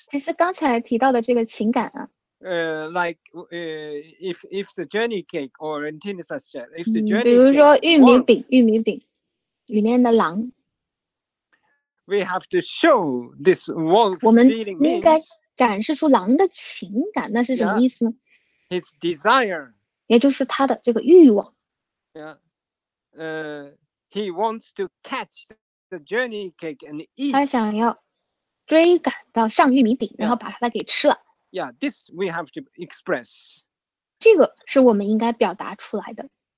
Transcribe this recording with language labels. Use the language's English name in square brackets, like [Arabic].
[Chinese] 其实刚才提到的这个情感啊。 [English] Like if the journey cake or antenna such that if the journey. [Chinese] 比如说玉米饼，玉米饼里面的狼。 [English] We have to show this wolf feeling means. [Chinese] 我们应该展示出狼的情感，那是什么意思呢？ [English] Yeah. His desire, [Chinese] 也就是他的这个欲望. [English] Yeah, he wants to catch the journey cake and eat. [Chinese] 他想要追赶到上玉米饼，然后把它给吃了. [English] Yeah, this we have to express. [Chinese] 这个是我们应该表达出来的.